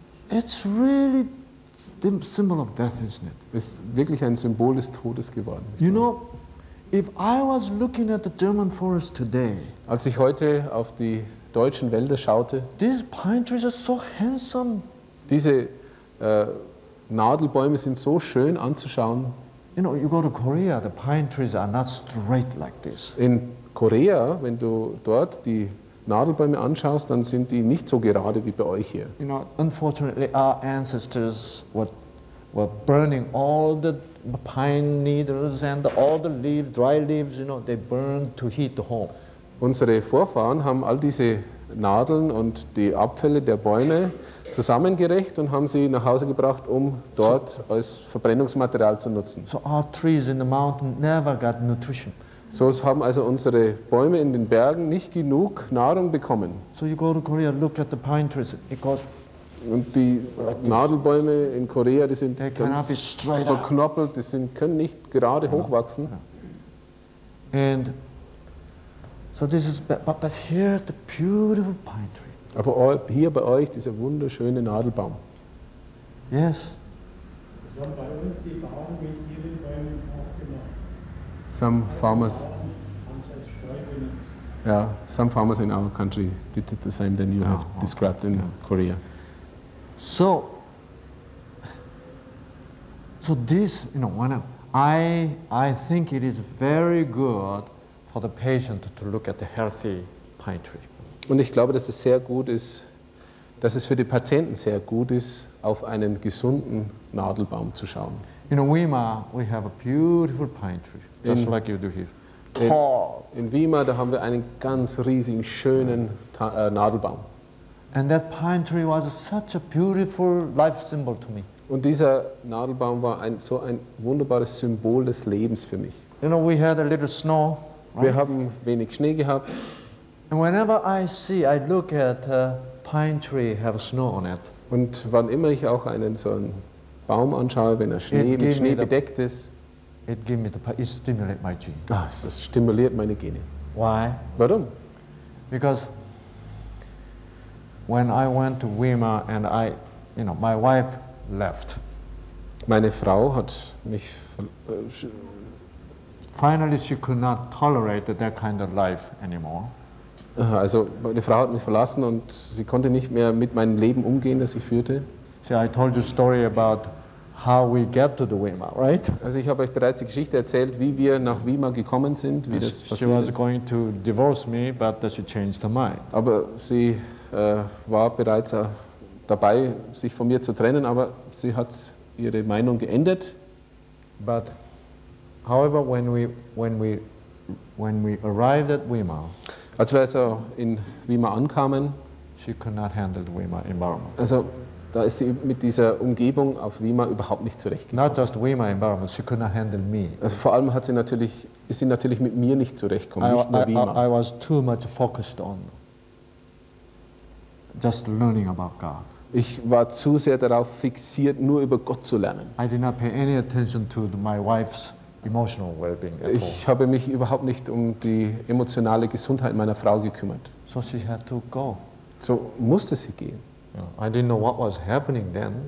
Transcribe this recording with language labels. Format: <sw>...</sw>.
<en>It's really the symbol of death, isn't it?</en> <de>Es ist wirklich ein Symbol des Todes geworden.</de> <en>You know, if I was looking at the German forest today,</en> <de>als ich heute auf die deutschen Wälder schaute,</de> <en>these pine trees are so handsome.</en> <de>Diese Nadelbäume sind so schön anzuschauen.</de> <en>You know, you go to Korea, the pine trees are not straight like this.</en> <de>In Korea, wenn du dort die Nadelbäume anschaust, dann sind die nicht so gerade wie bei euch hier.</de> <en>You know, unfortunately, our ancestors were burning all the pine needles and all the leaves, dry leaves. You know, they burned to heat the home.</en> <de>Unsere Vorfahren haben all diese Nadeln und die Abfälle der Bäume zusammengerecht und haben sie nach Hause gebracht, um dort als Verbrennungsmaterial zu nutzen.</de> <en>So our trees in the mountain never got nutrition.</en> <de>So haben also unsere Bäume in den Bergen nicht genug Nahrung bekommen.</de> <en>So you go to Korea, look at the pine trees.</en> <de>Und die Nadelbäume in Korea, die sind ganz verknoppelt, die sind, können nicht gerade hochwachsen.</de> <en>And so this is but here the beautiful pine tree.</en> <de>Aber hier bei euch dieser wunderschöne Nadelbaum.</de> <en>Yes.</en> <de>Sind bei uns die Bäume mit ihren Bäumen aufgemessen.</de> <en>Some farmers. Yeah, some farmers in our country did the same than you have described in Korea. So this, you know, when I think it is very good for the patient to look at the healthy pine tree.</en> <de>Und ich glaube, dass es sehr gut ist, dass es für die Patienten sehr gut ist, auf einen gesunden Nadelbaum zu schauen.</de> <en>In Weimar, we have a beautiful pine tree, just like you do here.</en> <de>In Weimar, da haben wir einen ganz riesigen, schönen Nadelbaum.</de> <en>And that pine tree was such a beautiful life symbol to me.</en> <de>Und dieser Nadelbaum war ein, so ein wunderbares Symbol des Lebens für mich.</de> <en>You know, we had a little snow.</en> <de>Wir haben wenig Schnee gehabt.</de> <en>And whenever I see, I look at a pine tree have snow on it.</en> <de>Und wann immer ich auch einen so einen Baum anschaue, wenn er mit Schnee bedeckt ist,</de> <en>it stimulates my gene.</en> <de>Ah, es stimuliert meine Gene.</de> <en>Why?</en> <de>Warum?</de> <en>Because when I went to Weimar and I, you know, my wife left.</en> <de>Meine Frau hat mich</de> <en>finally, she could not tolerate that kind of life anymore.</en> <de>Also, meine Frau hat mich verlassen und sie konnte nicht mehr mit meinem Leben umgehen, das ich führte.</de> <en>See, I told you a story about how we get to the Weimar, right?</en> <de>Also, ich habe euch bereits die Geschichte erzählt, wie wir nach Weimar gekommen sind, wie das passiert ist.</de> <en>She was going to divorce me, but she changed her mind.</en> <de>Aber sie war bereits dabei, sich von mir zu trennen, aber sie hat ihre Meinung geändert.</de> <en>But however, when we arrived at Weimar,</en> <de>als wir also in Weimar ankamen,</de> <en>she could not handle the Weimar environment.</en> <de>Also, da ist sie mit dieser Umgebung auf Weimar überhaupt nicht zurechtgekommen.</de> <en>Not just Weimar environment, she could not handle me.</en> <de>Also, vor allem hat sie natürlich, ist sie natürlich mit mir nicht zurechtgekommen, nicht nur Weimar.</de> <en>I was too much focused on just learning about God.</en> <de>Ich war zu sehr darauf fixiert, nur über Gott zu lernen.</de> <en>I did not pay any attention to my wife's emotional well-being at all.</en> <de>Ich habe mich überhaupt nicht um die emotionale Gesundheit meiner Frau gekümmert.</de> <en>So she had to go.</en> <de>So musste sie gehen.</de> <en>I didn't know what was happening then.</en>